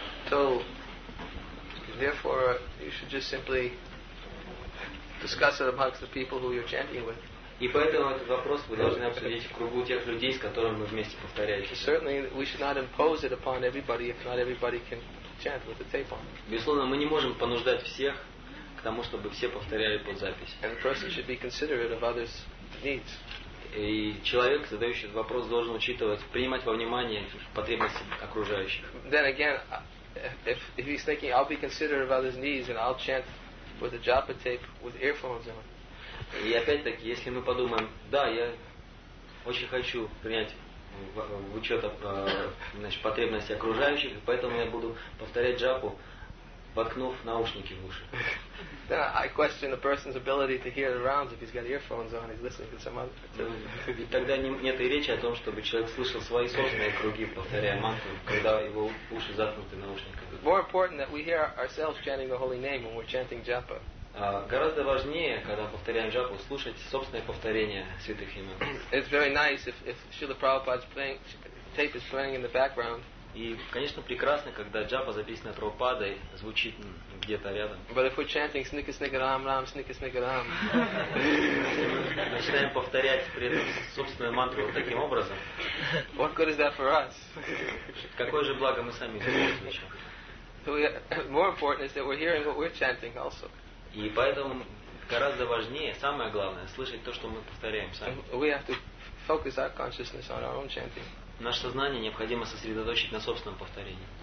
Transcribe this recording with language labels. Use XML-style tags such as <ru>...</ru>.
<en>So, therefore, you should just simply discuss it amongst the people who you're chanting with.</en> <ru>И поэтому этот вопрос вы должны обсудить в кругу тех людей, с которыми вы вместе повторяете.</ru> <en>Certainly, we should not impose it upon everybody if not everybody can chant with the tape on.</en> <ru>Безусловно, мы не можем понуждать всех к тому, чтобы все повторяли под запись.</ru> <en>And the person should be considerate of others' needs.</en> <ru>И человек, задающий этот вопрос, должен учитывать, принимать во внимание потребности окружающих.</ru> <en>Then again, if he's thinking I'll be considerate of others' needs and I'll chant with a japa tape with earphones on.</en> <ru>И опять-таки, если мы подумаем, да, я очень хочу принять в учет потребности окружающих, поэтому я буду повторять джапу воткнув наушники в уши.</ru> <en>Then I question the person's ability to hear the rounds if he's got earphones on, he's listening to some other.</en> <ru>Ведь тогда нет и речи о том, чтобы человек слышал свои собственные круги, повторяя мантру, когда его уши заткнуты наушниками.</ru> <en>More important that we hear ourselves chanting the holy name when we're chanting japa.</en> <ru>Гораздо важнее, когда повторяем джапу, слушать собственное повторение святых имен.</ru> <en>It's very nice if Srila Prabhupada's playing, tape is playing in the background.</en> <ru>И, конечно, прекрасно, когда джапа, записанная Прабхупадой, звучит где-то рядом.</ru> <en>But if we're chanting snika snika ram ram snika snika ram,</en> <ru>начинаем повторять при этом собственную мантру вот таким образом.</ru> <en>What good is that for us?</en> <ru>Какое же благо мы сами получим?</ru> <en>More important is that we're hearing what we're chanting also.</en> <ru>И поэтому гораздо важнее, самое главное, слышать то, что мы повторяем сами.</ru> <en>We have to focus our consciousness on our own chanting.</en> <ru>Наше сознание необходимо сосредоточить на собственном повторении.</ru>